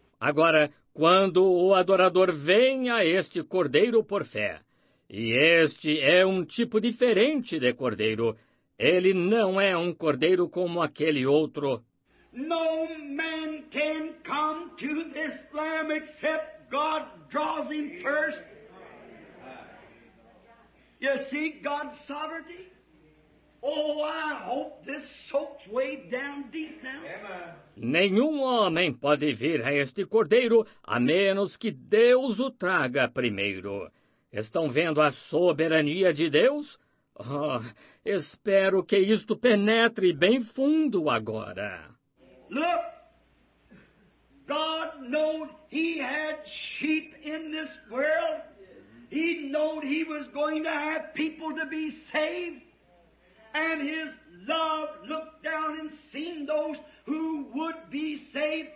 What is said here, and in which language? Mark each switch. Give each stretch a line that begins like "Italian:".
Portuguese: Agora, quando o adorador vem a este cordeiro por fé, e este é um tipo diferente de cordeiro, ele não é um cordeiro como aquele outro.
English: No man can come to this lamb except God draws him first. You see God's sovereignty? Oh, I hope this soaks way down deep now.
Portuguese: Nenhum homem pode vir a este cordeiro a menos que Deus o traga primeiro. Estão vendo a soberania de Deus? Oh, espero que isto penetre bem fundo agora.
English: Look, God knew he had sheep in this world. He knew he was going to have people to be saved. And his love looked down and seen those who would be saved.